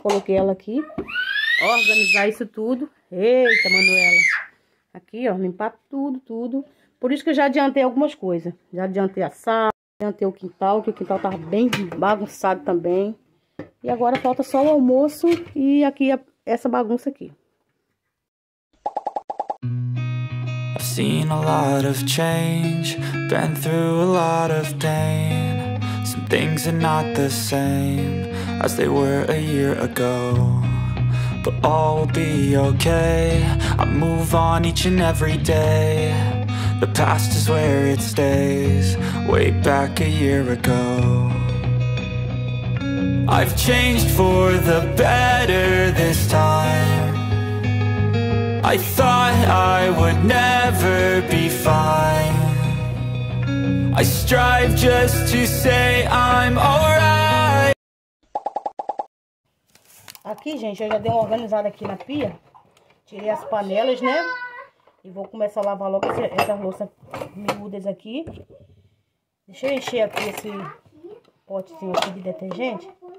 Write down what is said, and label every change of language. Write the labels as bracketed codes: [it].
[pt] Coloquei ela aqui. Organizar isso tudo. Eita, Manuela. Aqui, ó. Limpar tudo, tudo. Por isso que eu já adiantei algumas coisas. Já adiantei a sala. Adiantei o quintal, que o quintal tá bem bagunçado também. E agora falta só o almoço e aqui essa bagunça aqui. [en] I've seen a lot of change, been through a lot of pain. Some things are not the same as they were a year ago. But all will be okay, I move on each and every day. The past is where it stays, way back a year ago. I've changed for the better this time. I thought I would never be fine. I strive just to say I'm alright. [pt] Aqui, gente, eu já dei uma organizada aqui na pia. Tirei as panelas, né? E vou começar a lavar logo essas louças miúdas aqui. Deixa eu encher aqui esse potezinho aqui de detergente.